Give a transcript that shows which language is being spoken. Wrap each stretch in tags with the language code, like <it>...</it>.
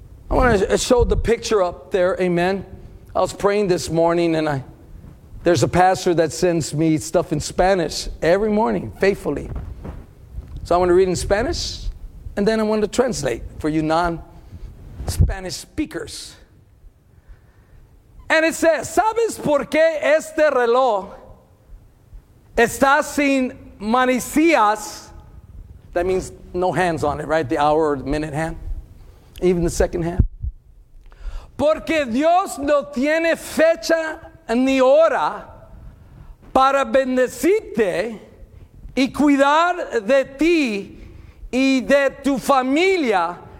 <en>I want to show the picture up there, amen. I was praying this morning, and there's a pastor that sends me stuff in Spanish every morning, faithfully. So I want to read in Spanish, and then I want to translate for you non-Spanish speakers. And it says,</en> <es>¿Sabes por qué este reloj está sin manecillas?</es> <en>That means no hands on it, right? The hour or the minute hand. Even the second hand.</en> <es>Porque Dios no tiene fecha ni hora para bendecirte y cuidar de ti y de tu familia.</es>